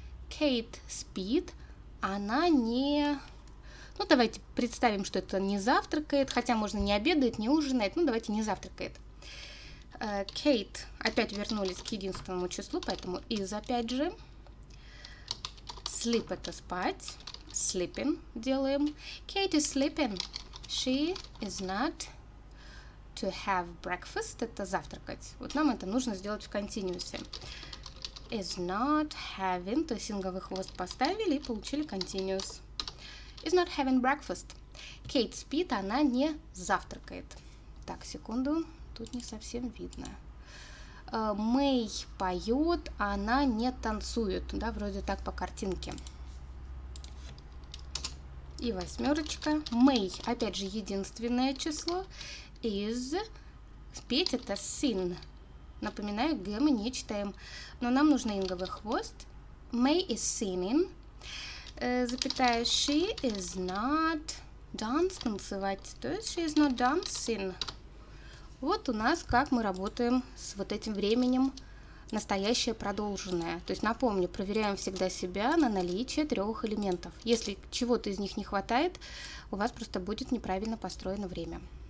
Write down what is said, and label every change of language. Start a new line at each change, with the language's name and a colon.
Russian: Kate спит, она не... Ну, давайте представим, что это не завтракает, хотя можно не обедает, не ужинает, ну, давайте не завтракает. Kate, опять вернулись к единственному числу, поэтому is опять же. Sleep — это спать. Sleeping делаем.
English: Kate is sleeping. She is not to have breakfast.
Russian: Это завтракать. Вот нам это нужно сделать в континьюсе.
English: Is not having,
Russian: то есть синговый хвост поставили и получили continuous.
English: Is not having breakfast.
Russian: Кейт спит, она не завтракает. Так, секунду, тут не совсем видно. Мэй поет, она не танцует. Да, вроде так по картинке. И восьмерочка. Мэй, опять же, единственное число. Is, петь это sin. Напоминаю, г мы не читаем. Но нам нужен инговый хвост.
English: May is singing.
Russian: Запятая.
English: She is not dance
Russian: танцевать. То есть
English: she is not dancing.
Russian: Вот у нас как мы работаем с вот этим временем. Настоящее продолженное. То есть напомню, проверяем всегда себя на наличие трех элементов. Если чего-то из них не хватает, у вас просто будет неправильно построено время.